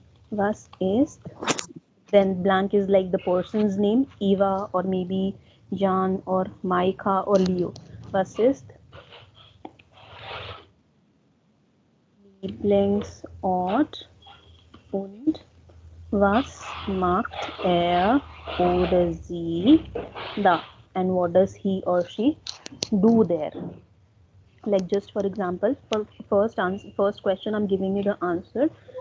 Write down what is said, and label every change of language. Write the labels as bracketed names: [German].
[German] Was ist, [English] then blank is like the person's name, Eva or maybe Jan or Maika or Leo. [German] Was ist Lieblingsort und was macht oder sie da? [English] And what does he or she do there? Like just for example, for first answer, first question, I'm giving you the answer.